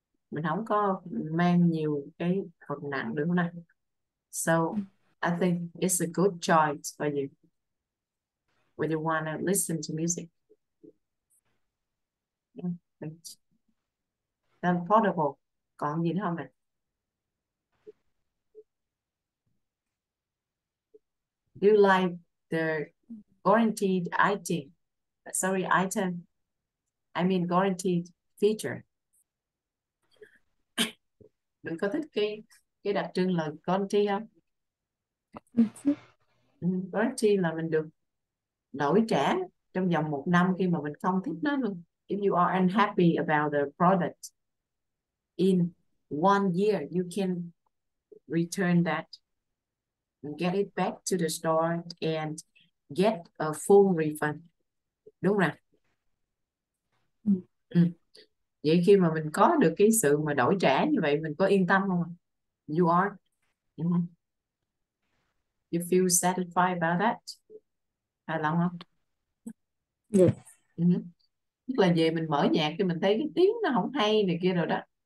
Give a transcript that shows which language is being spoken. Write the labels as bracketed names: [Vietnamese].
[Vietnamese] Mình không có mang nhiều cái vật nặng được này. [English] So I think it's a good choice for you when you want to listen to music. Then portable. [Vietnamese] Còn gì nữa không ạ? [English] Do you like the guaranteed item? Sorry, item. I mean guaranteed feature. [Vietnamese] Mình có thích cái đặc trưng là guarantee không? Guarantee là mình được đổi trả trong vòng một năm khi mà mình không thích nó luôn. [English] If you are unhappy about the product in 1 year, you can return that, get it back to the store and get a full refund. [Vietnamese] Đúng rồi. Ừ. Vậy khi mà mình có được cái sự mà đổi trả như vậy, mình có yên tâm không? [English] You are. You feel satisfied about that? [Vietnamese] Hài lòng không? [English] Yes. [Vietnamese] Ừ. Tức là về mình mở nhạc thì mình thấy cái tiếng nó không hay này kia rồi đó.